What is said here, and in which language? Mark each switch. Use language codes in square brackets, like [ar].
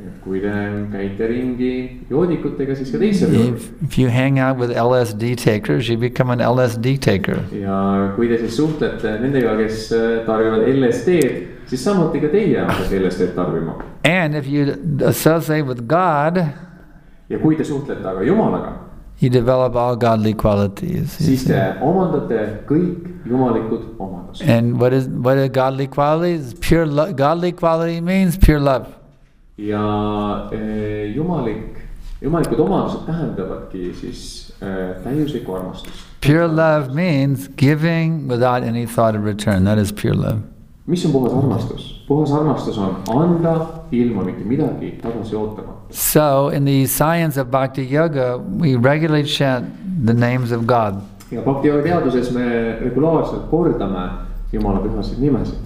[en] If you hang out with LSD takers, you become an LSD taker. And if you associate with God, [et] ja kui te suhtlete aga Jumalaga, [en] you develop all godly qualities. [et] Siis te omandate kõik jumalikud omadused. [en] And what is godly qualities? Pure godly quality means pure love. [et] Ja jumalikud omadused tähendavadki siis täiuslikku armastust. [en] Pure love means giving without any thought of return. That is pure love. [et] Mis on puhas armastus? Puhas armastus on anda ilma mitte midagi tagasi ootama. [en] So, in the science of Bhakti Yoga, we regularly chant the names of God. [et] Ja Bhakti Yoga teaduses me regulaarselt kordame Jumala pühasid nimesid.